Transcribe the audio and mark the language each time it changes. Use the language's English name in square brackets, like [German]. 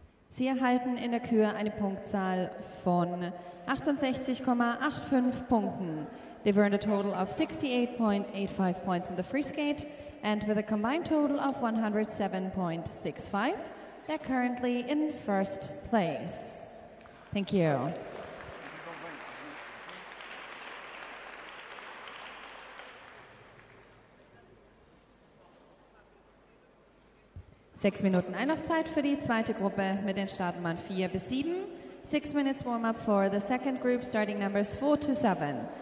[German] Sie erhalten in der Kür eine Punktzahl von 68,85 Punkten. [English] They've earned a total of 68.85 points in the free skate, and with a combined total of 107.65, they're currently in first place. Thank you. [German] Sechs Minuten Einlaufzeit für die zweite Gruppe mit den Startnummern 4 bis 7. [English] 6 minutes warm-up for the second group, starting numbers 4 to 7.